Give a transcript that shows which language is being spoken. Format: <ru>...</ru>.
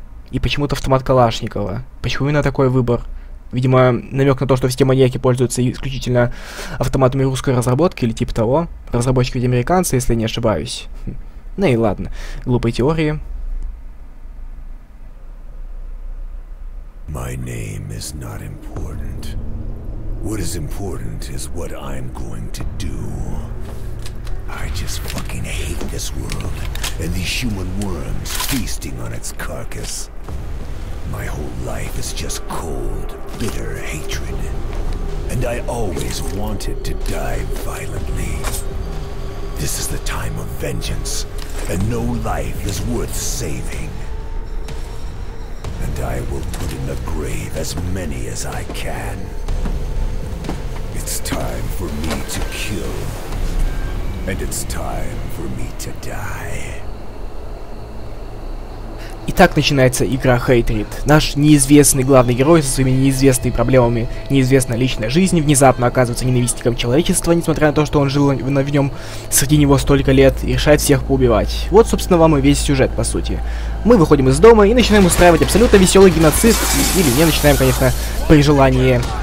<ru>И почему-то автомат Калашникова. Почему именно такой выбор? Видимо, намек на то, что все маньяки пользуются исключительно автоматами русской разработки или типа того. Разработчики ведь американцы, если я не ошибаюсь. Ну и ладно, глупые теории.</ru> <en>My name is not important. What is important is what I'm going to do. I just fucking hate this world and these human worms feasting on its carcass. My whole life is just cold, bitter hatred. And I always wanted to die violently. This is the time of vengeance, and no life is worth saving. And I will put in the grave as many as I can. It's time for me to kill. And it's time for me to die.</en> <ru>Итак, начинается игра Hatred. Наш неизвестный главный герой со своими неизвестными проблемами, неизвестной личной жизни, внезапно оказывается ненавистником человечества, несмотря на то, что он жил в нем среди него столько лет, и решает всех поубивать. Вот, собственно, вам и весь сюжет, по сути. Мы выходим из дома и начинаем устраивать абсолютно веселый геноцид, или не начинаем, конечно, при желании.</ru>